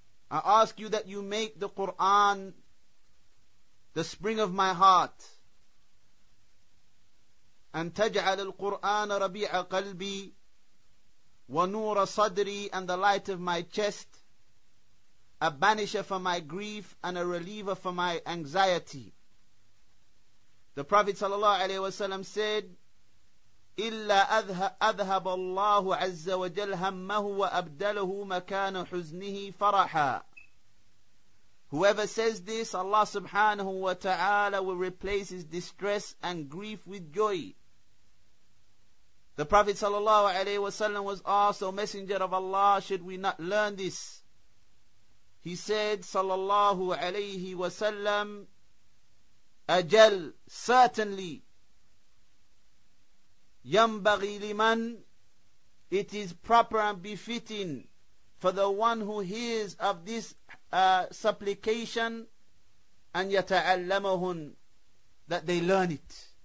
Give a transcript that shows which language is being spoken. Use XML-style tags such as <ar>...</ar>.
<en>I ask you that you make the Quran the spring of my heart.</en> <ar>أن تجعل القرآن ربيع قلبي ونور صدري,</ar> <en>and the light of my chest, a banisher for my grief and a reliever for my anxiety. The Prophet sallallahu alaihi wasallam said,</en> <ar>إلا أذهب الله عز وجل همه وأبدله مكان حزنه فرحا.</ar> <en>Whoever says this, Allah subhanahu wa ta'ala will replace his distress and grief with joy. The Prophet sallallahu alaihi wasallam was asked, O Messenger of Allah, should we not learn this? He said, sallallahu alaihi wasallam, ajal, certainly,</en> <ar>yambaghi liman,</ar> <en>it is proper and befitting for the one who hears of this supplication,</en> <ar>an yata'allamahun,</ar> <en>that they learn it.</en>